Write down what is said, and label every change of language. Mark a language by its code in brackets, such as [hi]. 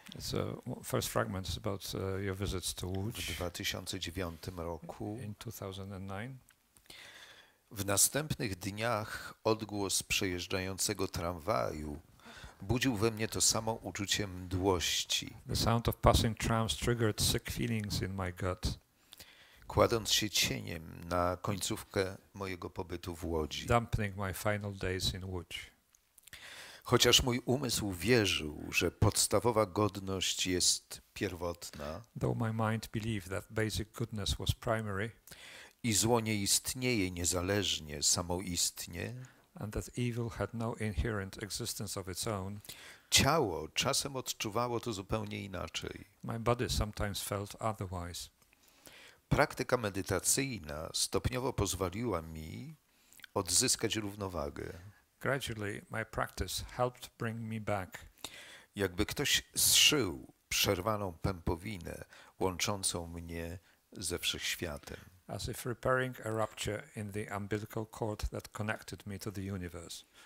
[en] It's a first fragment about your visits to Łódź. [pl] W 2009 roku. [en] In 2009. [pl] W następnych dniach odgłos przejeżdżającego tramwaju budził we mnie to samo uczucie mdłości. [en] The sound of passing trams triggered sick feelings in my gut. [pl] Kładąc się cieniem na końcówkę mojego pobytu w Łodzi. [en] Dampening my final days in Łódź. [pl] Chociaż mój umysł wierzył, że podstawowa godność jest pierwotna, [en] though my mind believed that basic goodness was primary, [pl] i zło nie istnieje niezależnie, samoistnie, [en] and that evil had no inherent existence of its own, [pl] ciało czasem odczuwało to zupełnie inaczej. [en] My body sometimes felt otherwise. [pl] Praktyka medytacyjna stopniowo pozwoliła mi odzyskać równowagę. [en] Gradually my practice helped bring me back. [pl] Jakby ktoś zszył przerwaną pępowinę łączącą mnie ze wszechświatem. [en] As if repairing a rupture in the umbilical cord that connected me to the universe.